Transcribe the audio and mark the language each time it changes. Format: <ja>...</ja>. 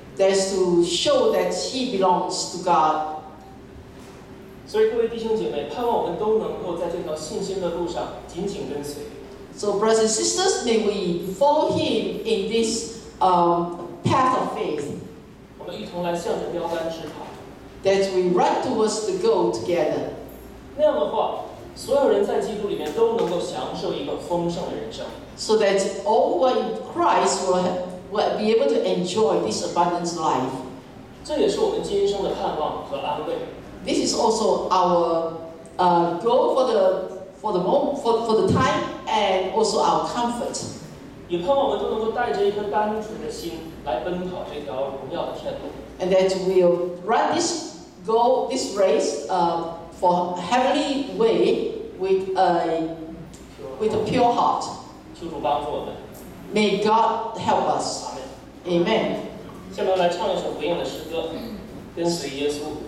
<en>That is to show that he belongs to God.</en> <zh>所以各位弟兄姐妹，盼望我们都能够在这条信心的路上紧紧跟随。</zh> <en>So brothers and sisters, may we follow him in this path of faith.</en> <zh>我们一同来向着标杆直跑。</zh> <en>That we run towards the goal together.</en> <zh>那样的话，所有人在基督里面都能够享受一个丰盛的人生。</zh> <en>So that all who are in Christ will be able to enjoy this abundant life.</en> <zh>这也是我们今生的盼望和安慰。</zh> <en>This is also our goal for the time and also our comfort.</en> <zh>也盼望我们都能够带着一颗单纯的心来奔跑这条荣耀的天路。</zh> <en>And that we'll run this goal, this race, for heavenly way with a pure heart.</en> <zh>求主帮助我们。</zh> <en>May God help us. Amen.</en> <zh>下面来唱一首回应的诗歌，跟随耶稣。</zh>